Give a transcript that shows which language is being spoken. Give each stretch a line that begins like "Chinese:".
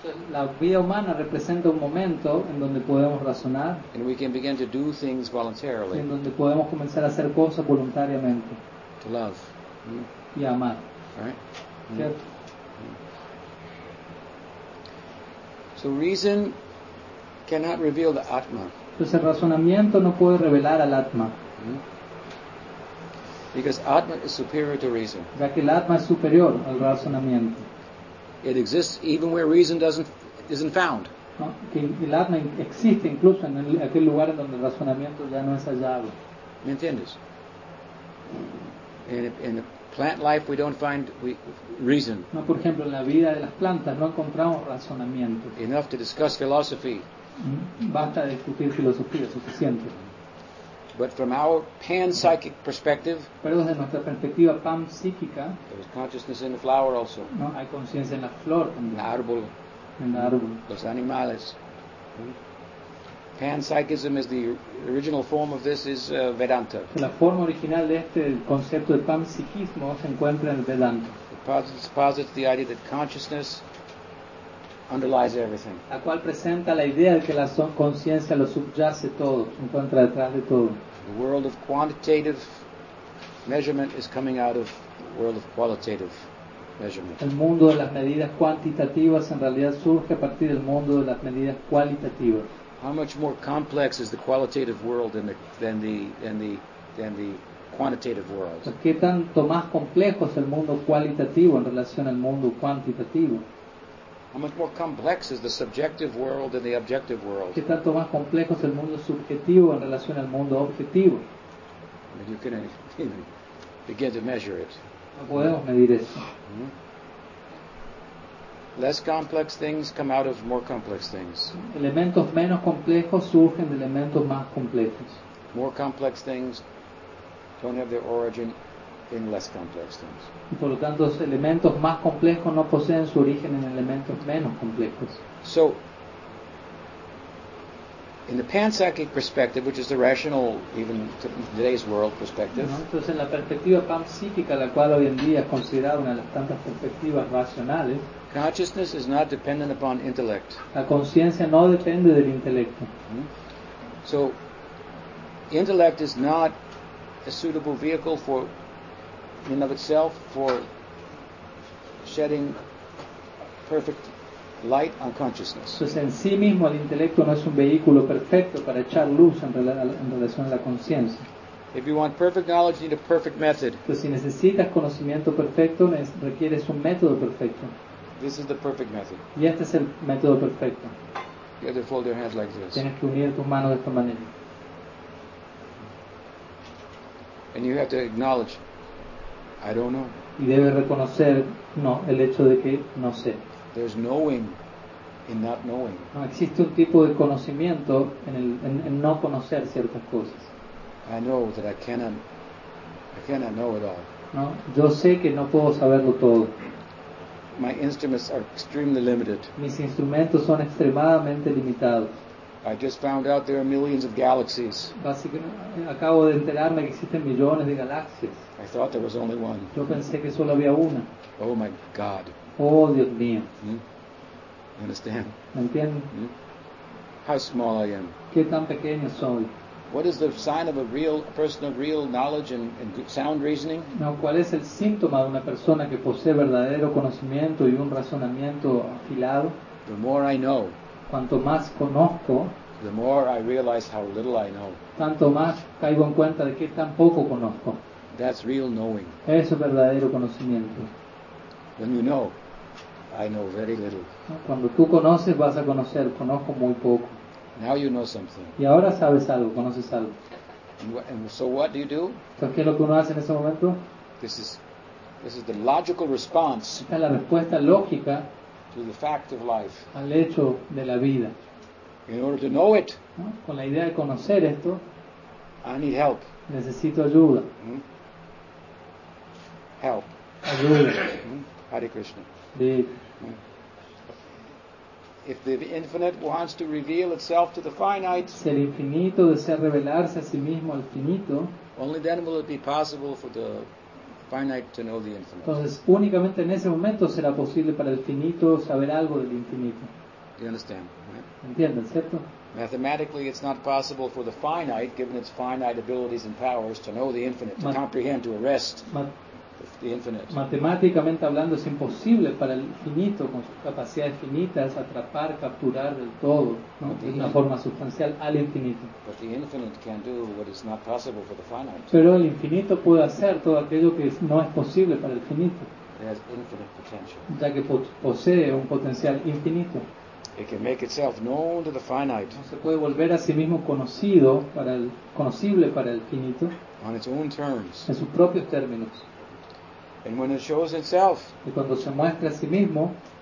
Spanish: La vida humana representa un momento en donde podemos razonar.
English: And we can begin to do things voluntarily.
Spanish: Y en donde podemos comenzar a hacer cosas voluntariamente.
English: To love.
Spanish: Y a amar.
English: Right. So reason cannot reveal the atma.
Spanish: Entonces el razonamiento no puede revelar al atma.
English: Because atma is superior to reason.
Spanish: Ya que el atma es superior al razonamiento.
English: It exists even where reason isn't found.
Spanish: No, que el alma existe incluso en aquel lugar donde el razonamiento ya no es hallado. ¿Me entiendes?
English: In plant life we don't find reason.
Spanish: No, por ejemplo, en la vida de las plantas no encontramos razonamiento.
English: Enough to discuss philosophy.
Spanish: Basta de discutir filosofía, suficiente.
English: But from our pan-psychic perspective,
Spanish: pero desde nuestra perspectiva pan-psíquica,
English: there's consciousness in the flower also.
Spanish: No, hay conciencia en la flor también. El árbol. El árbol. Los animales.
English: Pan-psychism is the original form of this is Vedanta.
Spanish: La forma original de este concepto de pan-psiquismo se encuentra en el Vedanta.
English: It posits the idea that consciousness underlies everything.
Spanish: La cual presenta la idea de que la conciencia lo subyace todo, se encuentra detrás de todo.
English: The world of quantitative measurement is coming out of the world of qualitative measurement.
Spanish: El mundo de las medidas cuantitativas en realidad surge a partir del mundo de las medidas cualitativas.
English: How much more complex is the qualitative world than the quantitative world?
Spanish: ¿Qué tanto más complejo es el mundo cualitativo en relación al mundo cuantitativo?
English: How much more complex is the subjective world than the objective world?
Spanish: ¿Qué tanto más complejo es el mundo subjetivo en relación al mundo objetivo?
English: I mean, you can begin to measure it.
Spanish: No podemos medir eso.
English: Less complex things come out of more complex things.
Spanish: Elementos menos complejos surgen de elementos más complejos.
English: More complex things don't have their origin in less complex things.
Spanish: Por lo tanto, los elementos más complejos no poseen su origen en elementos menos complejos.
English: So, in the panpsychic perspective, which is the rational, even today's world perspective,
Spanish: entonces en la perspectiva panpsíquica, la cual hoy en día es considerada una de las tantas perspectivas racionales,
English: consciousness is not dependent upon intellect.
Spanish: La conciencia no depende del intelecto.
English: So, intellect is not a suitable vehicle for, in of itself, for shedding perfect light on consciousness.
Spanish: Pues en sí mismo el intelecto no es un vehículo perfecto para echar luz en relación a la conciencia.
English: If you want perfect knowledge, you need a perfect method.
Spanish: Pues si necesitas conocimiento perfecto, requieres un método perfecto.
English: This is the perfect method.
Spanish: Y este es el método perfecto.
English: You have to fold your hands like this.
Spanish: Tienes que unir tus manos de esta manera.
English: And you have to acknowledge, I don't know.
Spanish: Y debes reconocer, no, el hecho de que no sé.
English: There's knowing in not knowing.
Spanish: No existe un tipo de conocimiento en no conocer ciertas cosas.
English: I know that I cannot know it all.
Spanish: No, yo sé que no puedo saberlo todo.
English: My instruments are extremely limited.
Spanish: Mis instrumentos son extremadamente limitados.
English: I just found out there are millions of galaxies.
Spanish: Acabo de enterarme que existen millones de galaxias.
English: I thought there was only one.
Spanish: Yo pensé que solo había una.
English: Oh my God.
Spanish: Oh, Dios mío.
English: Understand?
Spanish: ¿Me entiendes?
English: How small I am.
Spanish: ¿Qué tan pequeño soy?
English: What is the sign of a person of real knowledge and sound reasoning?
Spanish: No, ¿cuál es el síntoma de una persona que posee verdadero conocimiento y un razonamiento afilado?
English: The more I know.
Spanish: Cuanto más conozco,
English: the more I realize how little I know.
Spanish: Tanto más caigo en cuenta de que tan poco conozco.
English: That's real knowing.
Spanish: Eso es verdadero conocimiento.
English: When you know, I know very little.
Spanish: Cuando tú conoces, vas a conocer, conozco muy poco.
English: Now you know something.
Spanish: Y ahora sabes algo, conoces algo.
English: And so what do you do?
Spanish: ¿Qué es lo que uno hace en ese momento?
English: This is the logical response.
Spanish: Esta es la respuesta lógica.
English: To the fact of life.
Spanish: Al hecho de la vida.
English: In order to know it.
Spanish: ¿No? Con la idea de conocer esto.
English: I need help.
Spanish: Necesito ayuda.
English: Help.
Spanish: Ayuda.
Sanskrit: Hare Krishna.
Spanish: Sí.
English: If the infinite wants to reveal itself to the finite.
Spanish: Si el infinito desea revelarse a sí mismo al finito.
English: Only then will it be possible for the finite to know the infinite.
Spanish: Entonces, únicamente en ese momento será posible para el finito saber algo del infinito.
English: You understand?
Spanish: ¿Entienden, cierto?
English: Mathematically, it's not possible for the finite, given its finite abilities and powers, to know the infinite, to comprehend, to arrest the infinite.
Spanish: Matemáticamente hablando, es imposible para el finito, con sus capacidades finitas, atrapar, capturar del todo, ¿no? De una forma sustancial al infinito.
English: But the infinite can do what is not possible for the finite.
Spanish: Pero el infinito puede hacer todo aquello que no es posible para el finito.
English: It has infinite potential.
Spanish: Ya que posee un potencial infinito.
English: It can make itself known to the finite.
Spanish: No se puede volver a sí mismo conocido para el conocible para el finito.
English: On its own terms.
Spanish: En sus propios términos.
English: And when it shows itself,
Spanish: y cuando se muestra a sí mismo,